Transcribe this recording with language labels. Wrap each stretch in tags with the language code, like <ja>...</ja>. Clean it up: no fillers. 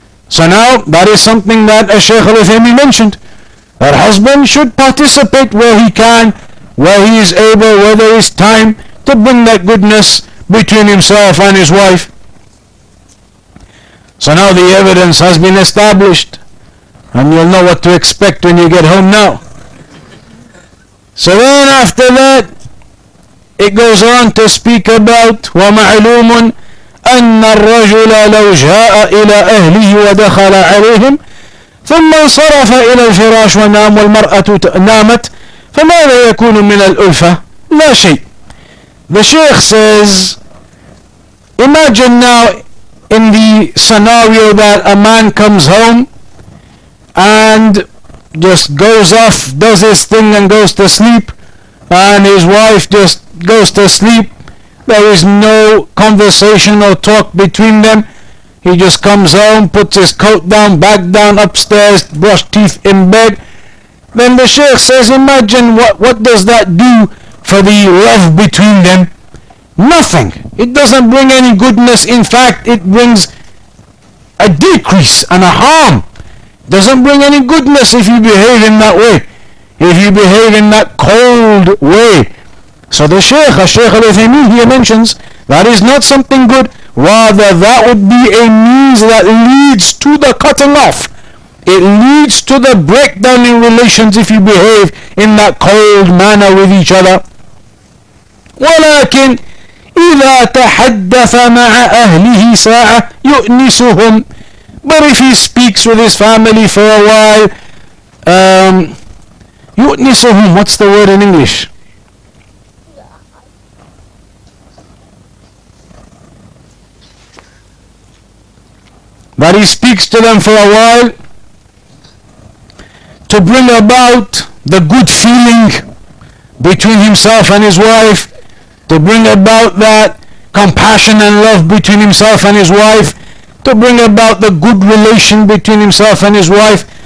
<en>So now, that is something that Shaykh Al-Uthaymeen mentioned. Her husband should participate where he can, where he is able, where there is time, to bring that goodness between himself and his wife. So now the evidence has been established, and you'll know what to expect when you get home now. So then after that, it goes on to speak about</en> <ar>وَمَعْلُومٌ أَنَّ الرَّجُلَ لَوْ جَاءَ إِلَىٰ أَهْلِهِ وَدَخَلَ عَلَيْهِمْ ثم انصرف إلى الفراش ونام والمرأة نامت فماذا يكون من الألفة؟ لا شيء.</ar> <en>The Sheikh says, imagine now in the scenario that a man comes home and just goes off, does his thing and goes to sleep, and his wife just goes to sleep. There is no conversation or talk between them. He just comes home, puts his coat down, back down upstairs, brush teeth in bed. Then the Sheikh says, imagine what does that do for the love between them? Nothing. It doesn't bring any goodness. In fact, it brings a decrease and a harm. Doesn't bring any goodness if you behave in that way, if you behave in that cold way. So the Sheikh, Sheikh Al-Uthaymeen, here mentions that is not something good. Rather, that would be a means that leads to the cutting off. It leads to the breakdown in relations if you behave in that cold manner with each other.</en> <ar>ولكن إذا تحدث مع أهله ساعة يؤنسهم.</ar> <en>But if he speaks with his family for a while, يؤنسهم, what's the word in English? that he speaks to them for a while to bring about the good feeling between himself and his wife, to bring about that compassion and love between himself and his wife, to bring about the good relation between himself and his wife.</en>